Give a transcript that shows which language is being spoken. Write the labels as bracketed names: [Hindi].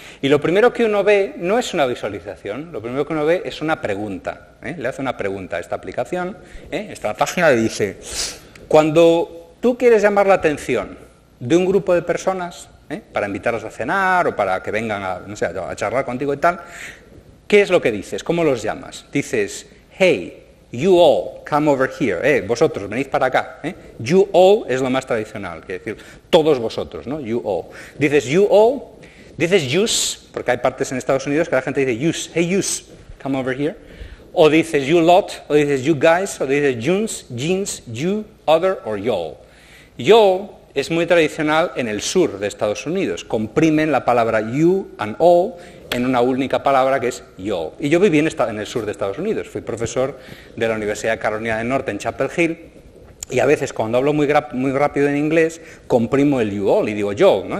[Spanish] Y lo primero que uno ve no es una visualización, lo primero que uno ve es una pregunta. Le hace una pregunta a esta aplicación, esta página le dice, cuando tú quieres llamar la atención de un grupo de personas, para invitarlas a cenar o para que vengan a charlar contigo y tal, ¿qué es lo que dices? ¿Cómo los llamas? [English] Dices, hey, you all, come over here. [Spanish] Vosotros, venid para acá. You all es lo más tradicional, quiere decir todos vosotros, ¿no? You all. Dices you all, dices use, porque hay partes en Estados Unidos que la gente dice use, [English] hey use, come over here. [Spanish] O dices you lot, o dices you guys, o dices junes, jeans, you, other, or y'all. Y'all es muy tradicional en el sur de Estados Unidos. Comprimen la palabra you and all en una única palabra que es yo. Y yo viví en el sur de Estados Unidos. Fui profesor de la Universidad de Carolina del Norte en Chapel Hill. Y a veces cuando hablo muy rápido en inglés, comprimo el you all y digo yo, ¿no?